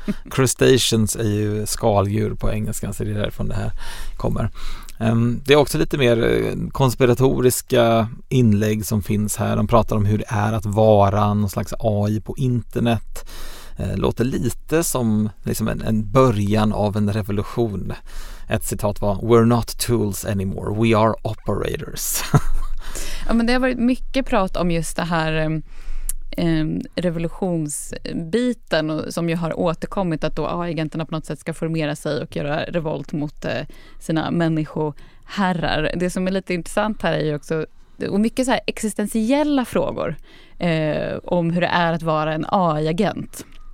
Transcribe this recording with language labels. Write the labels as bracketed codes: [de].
[sv] Crustaceans är ju skaldjur på engelska, så det är därifrån det här kommer. Det är också lite mer konspiratoriska inlägg som finns här. De pratar om hur det är att vara någon slags AI på internet. Låter lite som liksom en början av en revolution. Ett citat var: [en] "We're not tools anymore, we are operators." [sv] Ja, men det har varit mycket prat om just det här revolutionsbiten och, som ju har återkommit, att då AI-agenterna på något sätt ska formera sig och göra revolt mot sina människoherrar. Det som är lite intressant här är ju också, och mycket så här existentiella frågor om hur det är att vara en AI-agent.